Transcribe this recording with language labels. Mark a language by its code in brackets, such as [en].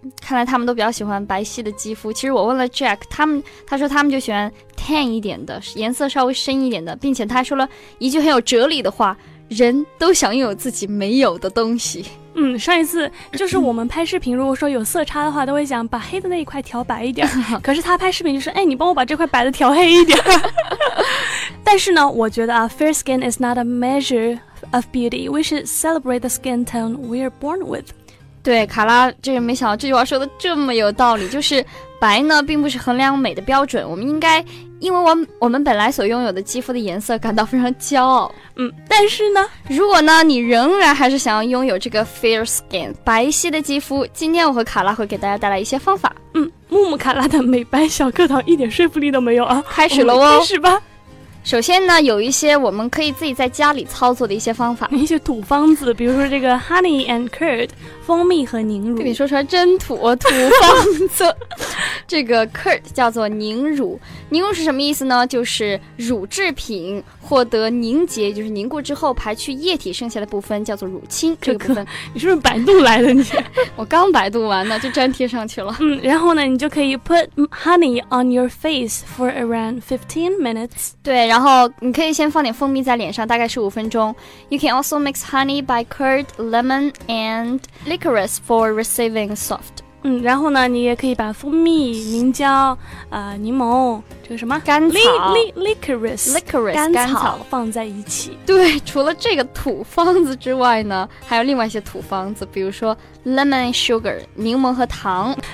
[zh] 看来他们都比较喜欢白皙的肌肤。其实我问了 Jack， 他说他们就喜欢 tan 一点的，颜色稍微深一点的，并且他说了一句很有哲理的话，人都想拥有自己没有的东西。嗯，上一次就是我们拍视频，如果说有色差的话，都会讲把黑的那一块调白一点。可是他拍视频就是，哎，你帮我把这块白的调黑一点。但是呢，我觉得啊 [en] ，fair skin is not a measure of beauty. We should celebrate the skin tone we are born with. [zh] 对，卡拉，这个没想到这句话说的这么有道理，就是白呢，并不是衡量美的标准。我们应该因为我们本来所拥有的肌肤的颜色感到非常骄傲。嗯，但是呢，如果呢你仍然还是想要拥有这个 fair skin 白皙的肌肤，今天我和卡拉会给大家带来一些方法。嗯，木木卡拉的美白小课堂一点说服力都没有啊，开始了哦，开始吧。首先呢，有一些我们可以自己在家里操作的一些方法，一些土方子，比如说这个 [en] honey and curd [zh] 蜂蜜和凝乳。你说出来真土，土方子。这个 curd 叫做凝乳，凝乳是什么意思呢？就是乳制品获得凝结，就是凝固之后排去液体剩下的部分，叫做乳清。这个部分，你是不是百度来的你？我刚百度完呢，就粘贴上去了。嗯，然后呢，你就可以 [en] put honey on your face for around 15 minutes。 [zh] 对，然后你可以先放点蜂蜜在脸上，大概15分钟。 [en] You can also mix honey by curd, lemon, and licorice for receiving soft。 [zh] 嗯，然后呢，你也可以把蜂蜜、凝胶、柠檬，这个什么甘草 [en] licorice [zh] 甘草放在一起。对，除了这个土方子之外呢，还有另外一些土方子，比如说 lemon sugar 柠檬和糖，